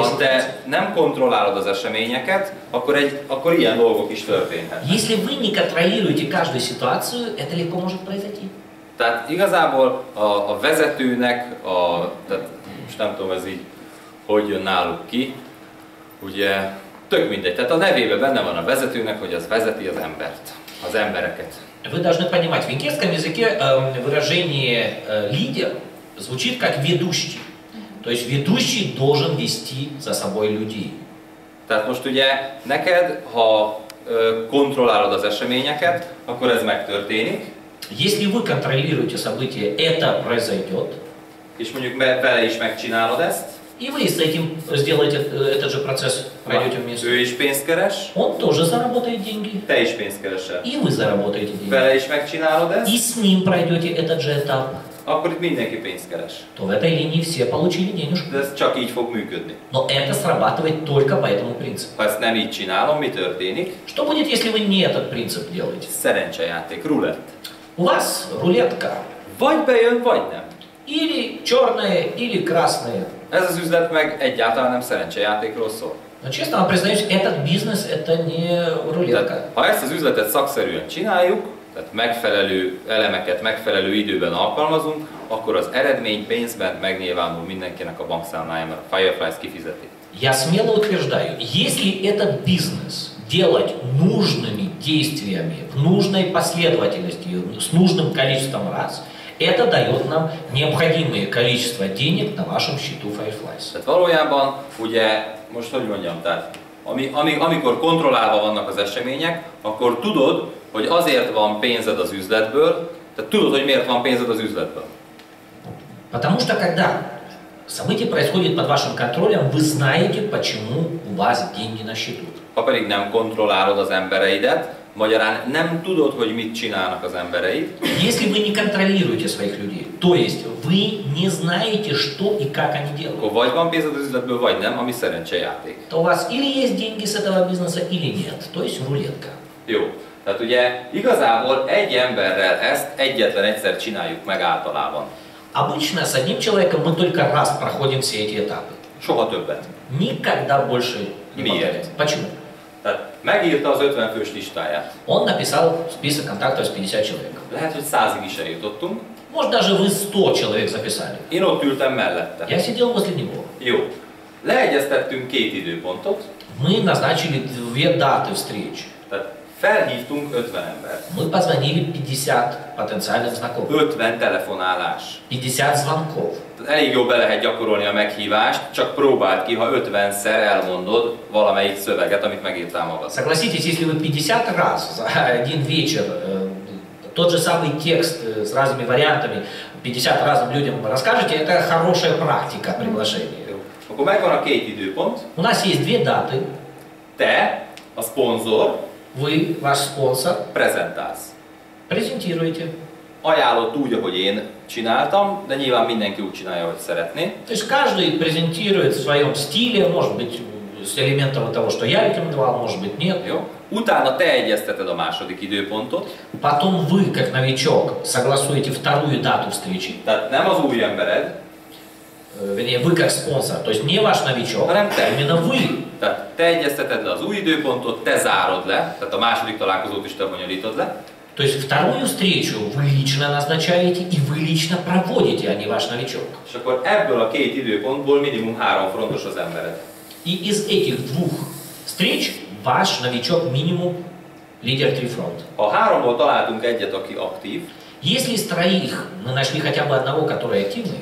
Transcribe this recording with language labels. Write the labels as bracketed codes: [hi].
[hu] ha ситуации. Ha te nem kontrollálod az eseményeket, akkor, egy, akkor ilyen dolgok is történhetnek. [ru] Если вы не контролируете каждую ситуацию, это легко может произойти. [hu] Tehát igazából a vezetőnek, a, tehát most nem tudom ez így, hogy jön náluk ki, ugye tök mindegy, tehát a nevében benne van a vezetőnek, hogy az vezeti az embert, az embereket. [ru] Вы должны понимать, в венгерском языке выражение лидер звучит как ведущий. То есть ведущий должен вести за собой людей. [hu] Tehát most ugye neked, ha kontrollálod az eseményeket, akkor ez megtörténik. [ru] Если вы контролируете события, это произойдет. [hu] És mondjuk vele is megcsinálod ezt. [ru] И вы с этим сделаете этот же процесс, пройдете вместе. [hu] Ő is pénzt keres. [ru] Он тоже заработает деньги. [hu] Te is pénzt keresel. [ru] И вы заработаете деньги. [hu] Vele is megcsinálod ezt. [ru] И с ним пройдете этот же этап. [hu] Akkor itt mindenki pénzt keres. [ru] То в этой линии все получили денежку. [hu] De ez csak így fog működni. [ru] Но это срабатывает только по этому принципу. [hu] Ha ezt nem így csinálom, mi történik? [ru] Что будет, если вы не этот принцип делаете? [hu] Szerencsejáték, рулет. [ru] У вас рулетка. [hu] Vagy bejön, vagy nem. [ru] Или черное, или красное. [hu] Ez az üzlet meg egyáltalán nem szerencsejátékról szól. [ru] Na, честно, признаюсь, этот бизнес это не рулетка. [hu] Ha ezt az üzletet szakszerűen csináljuk, tehát megfelelő elemeket megfelelő időben alkalmazunk, akkor az eredmény pénzben megnyilvánul mindenkinek a bankszámláján, a Fireflies kifizeti. [ru] Я смело утверждаю, если этот бизнес делать нужными действиями, в нужной последовательности, с нужным количеством раз, это дает нам необходимое количество денег на вашем счету Fireflies. [hu] Tehát valójában, ugye, most hogy mondjam, tehát, amikor kontrollálva vannak az események, akkor tudod, hogy azért van pénzed az üzletből, tehát tudod, hogy miért van pénzed az üzletből. [ru] Потому что, когда события происходят под вашим контролем, вы знаете, почему у вас деньги на счету. [hu] Ha pedig nem kontrollálod az embereidet, magyarán nem tudod, hogy mit csinálnak az embereid. [ru] Если вы не контролируете своих людей, то есть вы не знаете, что и как они делают. [hu] Akkor vagy van pénzed az üzletből, vagy nem, ami szerencsejáték. [ru] То у вас или есть деньги с этого бизнеса, или нет. То есть рулетка. [hu] Jó. Tehát ugye igazából egy emberrel ezt egyetlen egyszer csináljuk meg általában. [ru] Обычно с одним человеком мы только раз проходим все эти этапы. [hu] Soha többet. [ru] Никогда больше не повторяем. [hu] Miért? [ru] Почему? [hu] Tehát megírta az 50 fős listáját. [ru] Он написал список контактов с 50 человек. [hu] Lehet, hogy 100-ig is eljutottunk. [ru] Может, даже вы 100 человек записали. [hu] Én ott ültem mellette. [ru] Я сидел возле него. [hu] Jó. Leegyeztettünk két időpontot. [ru] Мы назначили две даты встреч. [hu] Tehát felhívtunk 50 embert. [ru] Мы позвонили 50 потенциальных знакомых. [hu] 50 telefonálás. [ru] 50 звонков. [hu] Elég jó be lehet gyakorolni a meghívást, csak próbáld ki, ha 50-szer elmondod valamelyik szöveget, amit megírtál magad. [ru] Согласитесь, если вы 50 раз за один вечер тот же самый текст с разными вариантами 50 разным людям расскажете, это хорошая практика приглашения. [hu] Akkor megvan a két időpont. [ru] У нас есть две даты. [hu] Te, a szponzor. [ru] Вы, ваш спонсор. [hu] Презентálsz. [ru] Презентируете. [hu] Ajánlott úgy, ahogy én csináltam, de nyilván mindenki úgy csinálja, hogy szeretné. [ru] То есть каждый презентирует в своем стиле, может быть, с элементом того, что я рекомендовал, может быть, нет. [hu] Jó. Utána te egyezteted a második időpontot. [ru] Потом вы, как новичок, согласуете вторую дату встречи. [hu] Tehát nem az új embered. [ru] Вернее, вы как спонсор, то есть не ваш новичок, [hu] hanem te. [ru] Именно вы. [hu] Tehát te egyezteted le az új időpontot, te zárod le, tehát a második találkozót is te bonyolítod le. [ru] То есть вторую встречу вы лично назначаете и вы лично проводите, а не ваш новичок. [hu] És akkor ebből a két időpontból minimum három frontos az embered. [ru] И из этих двух встреч ваш новичок минимум лидер три фронт. [hu] Ha háromból találtunk egyet, aki aktív, [ru] если из троих мы нашли хотя бы одного, который активный,